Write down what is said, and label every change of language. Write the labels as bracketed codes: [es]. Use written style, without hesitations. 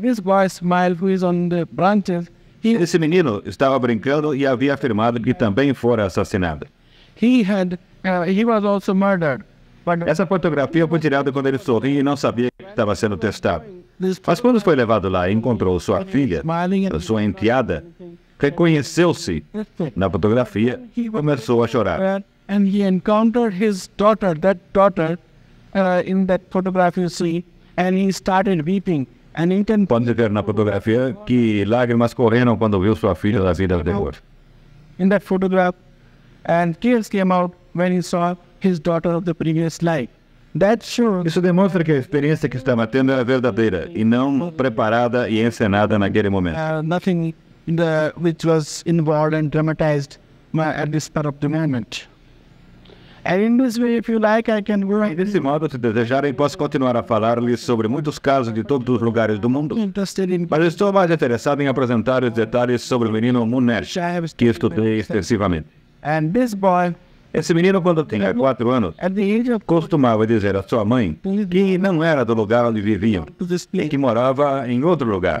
[en] This boy Ismail, who is on the branches, [pt] esse menino estava brincando e havia afirmado que também fora assassinado. [en] He was also murdered. [pt] Essa fotografia foi tirada quando ele sorria e não sabia que estava sendo testado. Mas quando foi levado lá e encontrou sua filha, sua enteada, reconheceu-se na fotografia e começou a chorar. [en] And he encountered his daughter in that photograph you see, and he started weeping. And he can [pt] pode ver na fotografia que lágrimas correram quando viu sua filha na vida anterior. [en] In that photograph, and tears came out when he saw his daughter of the previous life. That's sure. [pt] Isso demonstra que a experiência que estava tendo era verdadeira e não preparada e encenada naquele momento. [en] Nothing which was involved and dramatized at this part of the moment. And in this way, if you like, I can go. [pt] Desse modo, se desejarem, posso continuar a falar-lhes sobre muitos casos de todos os lugares do mundo. Mas estou mais interessado em apresentar os detalhes sobre o menino Muner, que estudei extensivamente. [en] And this boy, [pt] esse menino, quando tinha 4 anos, costumava dizer à sua mãe que não era do lugar onde vivia, e que morava em outro lugar.